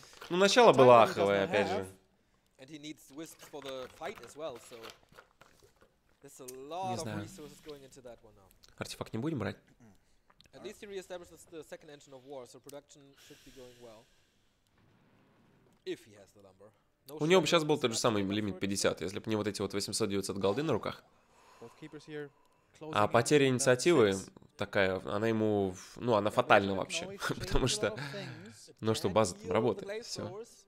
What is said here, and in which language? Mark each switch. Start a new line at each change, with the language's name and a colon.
Russian: Ну, начало было аховое, опять же. Не знаю. Артефакт не будем брать?
English: At least he reestablishes the second engine of war, so production should be going well. If he has the lumber.
Russian: У него бы сейчас был тот же самый лимит 50, если бы не вот эти вот 800-900 голды на руках. А потеря инициативы такая, она ему, ну, она фатальна вообще, потому что, ну что, база там работает, все.